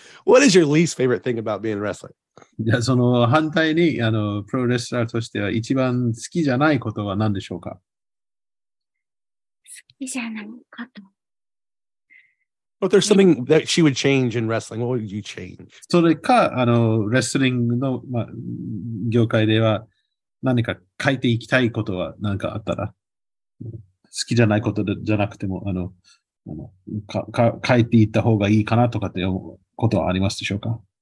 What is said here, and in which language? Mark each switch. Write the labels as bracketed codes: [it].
[en] What is your least favorite thing about being a wrestler? [ja] Yeah, その反対にあのプロレスラーとしては一番好きじゃないことは何でしょうか？好きじゃないこと。 [en] But there's something that she would change in wrestling. What would you change? [ja] それか、あの、レスリングの、ま、業界では何か変えていきたいことは何かあったら、好きじゃないことじゃなくても、あの、あの、か、変えていった方がいいかなとかって思うことはありますでしょうか？